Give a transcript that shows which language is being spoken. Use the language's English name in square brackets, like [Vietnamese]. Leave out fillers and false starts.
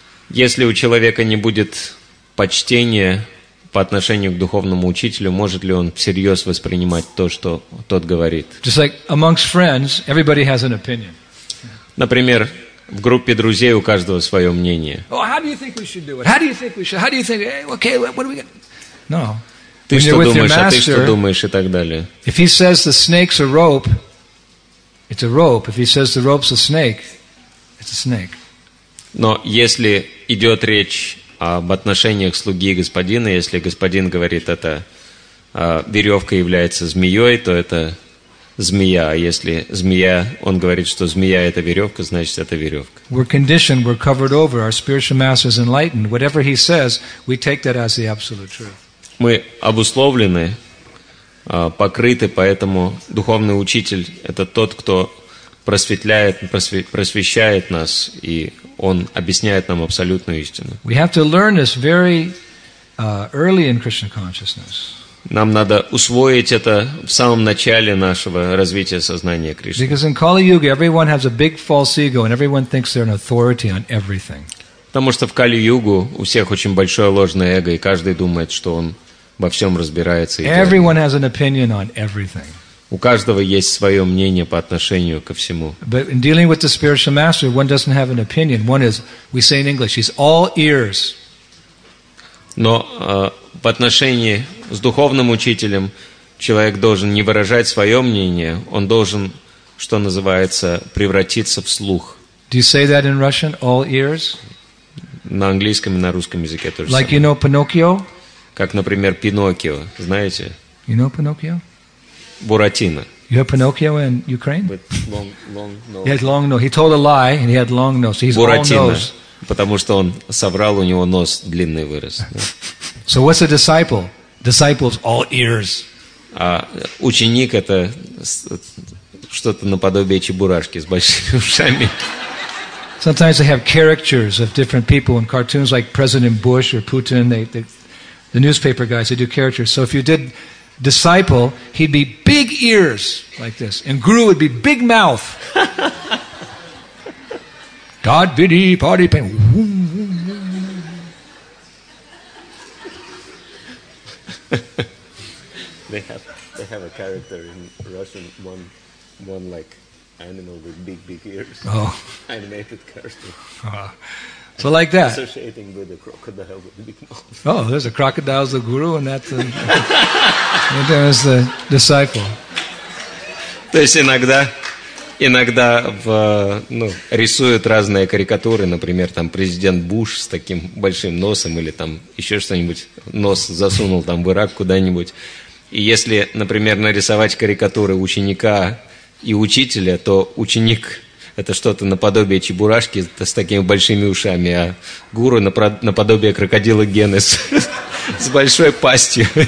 [Russian] Если у человека не будет почтения по отношению к духовному учителю, может ли он всерьез воспринимать то, что тот говорит? [English] Just like amongst friends, everybody has an opinion. [Russian] Например, в группе друзей у каждого свое мнение. [English] Oh, how do you think we should do it? How do you think we should? How do you think? Hey, okay, what are we going? No. [Russian] Ты что думаешь? А ты что думаешь и так далее. [English] If he says the snake's a rope, it's a rope. If he says the rope's a snake, it's a snake. [Russian] Но если идет речь об отношениях слуги и господина, если господин говорит, это веревка является змеей, то это змея. А если змея, он говорит, что змея – это веревка, значит, это веревка. [English] We're conditioned, we're covered over. Our spiritual master is enlightened. Whatever he says, we take that as the absolute truth. [Russian] Мы обусловлены, покрыты, поэтому духовный учитель – это тот, кто просветляет, просвещает нас, и он объясняет нам абсолютную истину. [English] We have to learn this very early in Krishna consciousness. [Russian] Нам надо усвоить это в самом начале нашего развития сознания Кришны. [English] Because in Kali-Yuga everyone has a big false ego and everyone thinks they're an authority on everything. [Russian] Потому что в Кали-Югу у всех очень большое ложное эго, и каждый думает, что он во всем разбирается и идеально. [English] Everyone has an opinion on everything. [Russian] У каждого есть свое мнение по отношению ко всему. [English] But in dealing with the spiritual master, one doesn't have an opinion. One is, we say in English, he's all ears. [Russian] Но в отношении с духовным учителем человек должен не выражать свое мнение, он должен, что называется, превратиться в слух. [English] Do you say that in Russian, all ears? [Russian] На английском и на русском языке тоже. [English] Like you know Pinocchio? [Russian] Как, например, Пиноккио, знаете? [English] You know Pinocchio? [Russian] Буратино. [English] You have Pinocchio in Ukraine? With long nose. He has long nose. He told a lie and he had long nose. So he's [Russian] Буратино. [English] All nose. [Russian] Потому что он соврал, у него нос длинный вырос. [English] So what's a disciple? Disciples all ears. [Russian] А ученик — это что-то наподобие чебурашки с большими ушами. [English] Sometimes they have caricatures of different people in cartoons, like President Bush or Putin. The newspaper guys, they do caricatures. So if you did disciple, he'd be big ears like this, and guru would be big mouth. God biddy party pain. They have a character in Russian one like animal with big ears. Oh, animated character. So like that. Associating with the crocodile with big mouth. Oh, there's a crocodile's the guru, and that's there's the disciple. [Russian] То есть иногда рисуют разные карикатуры, например, там президент Буш с таким большим носом или там еще что-нибудь, нос засунул там в Ирак куда-нибудь. И если, например, нарисовать карикатуры ученика и учителя, то ученик — это что-то наподобие чебурашки с такими большими ушами, а гуру — наподобие крокодила Гены с большой пастью.